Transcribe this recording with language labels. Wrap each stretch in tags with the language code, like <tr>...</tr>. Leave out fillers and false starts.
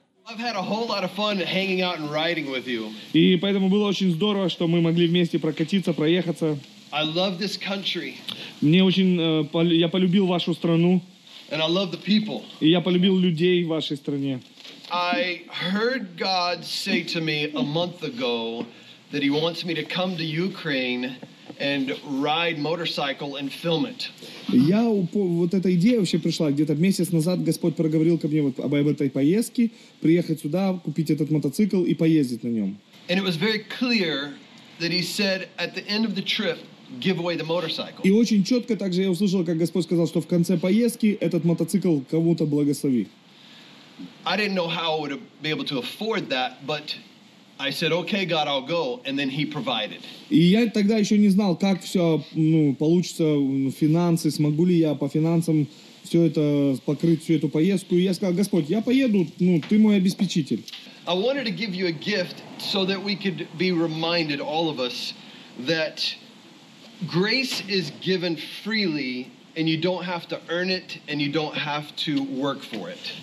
<en>I've had a whole lot of fun hanging out and riding with you.</en> <ru>И поэтому было очень здорово, что мы могли вместе прокатиться, проехаться.</ru> <en>I love this country.</en> <ru>Мне очень я полюбил вашу страну.</ru> <en>And I love the people.</en> <ru>И я полюбил людей в вашей стране.</ru> <en>I heard God say to me a month ago that He wants me to come to Ukraine and ride motorcycle and film it.</en> <ru>Я вот эта идея вообще пришла где-то месяц назад. Господь проговорил ко мне вот об этой поездке, приехать сюда, купить этот мотоцикл и поездить на нем.</ru> <en>And it was very clear that He said at the end of the trip, give away the motorcycle.</en> <ru>И очень четко также я услышал, как Господь сказал, что в конце поездки этот мотоцикл кому-то благослови.</ru> <en>I didn't know how I would be able to afford that, but I said, okay, God, I'll go, and then He provided.</en> <ru>И я тогда еще не знал, как все, ну, получится, финансы, смогу ли я по финансам все это покрыть, всю эту поездку. И я сказал, Господь, я поеду, ну, Ты мой обеспечитель.</ru> <en>I wanted to give you a gift so that we could be reminded, all of us, that grace is given freely, and you don't have to earn it, and you don't have to work for it.</en>